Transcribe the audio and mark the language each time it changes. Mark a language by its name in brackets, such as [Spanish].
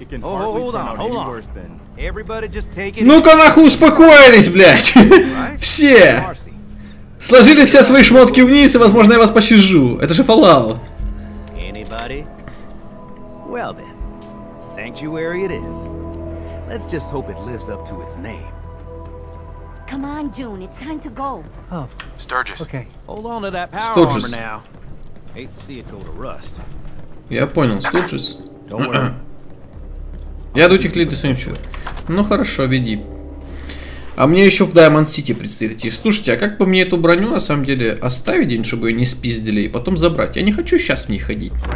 [Russian] Ну-ка нахуй успокоились, блядь. Все. Сложили все свои шмотки вниз, и, возможно, я вас пощажу. Это же Fallout. [English] Well then, Sanctuary it is. Let's just hope it lives up to its name. Come on, June, it's time to go. Oh. Sturgis. Okay. Hold on to that power armor now. Hate to see it go to rust. [Russian] Я понял, Sturgis. Я иду тех лиды Sanctuary. Ну хорошо, веди. А мне еще в Diamond City предстоит идти. Слушайте, а как бы мне эту броню на самом деле оставить день, чтобы ее не спиздили, и потом забрать? Я не хочу сейчас в ней ходить.